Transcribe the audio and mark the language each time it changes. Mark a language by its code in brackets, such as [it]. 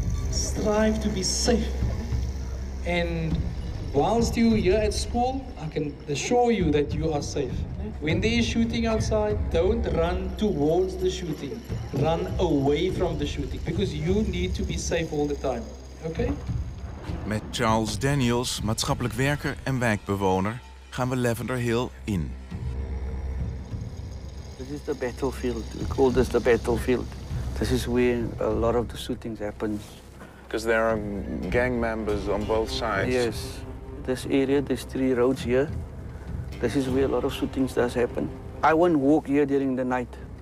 [en] Strive to be safe. And whilst you're here at school, I can assure you that you are safe. When there is shooting outside, don't run towards the shooting. Run away from the shooting, because you need to be safe all the time. Okay? [nl] Met Charles Daniels, maatschappelijk werker en wijkbewoner, gaan we Lavender Hill in. [en] This is the battlefield. We call this the battlefield. This is where a lot of the shootings happens. Because there are gang members on both sides. Yes. This area, there's three roads here. This is where a lot of shootings does happen. I won't walk here during the night.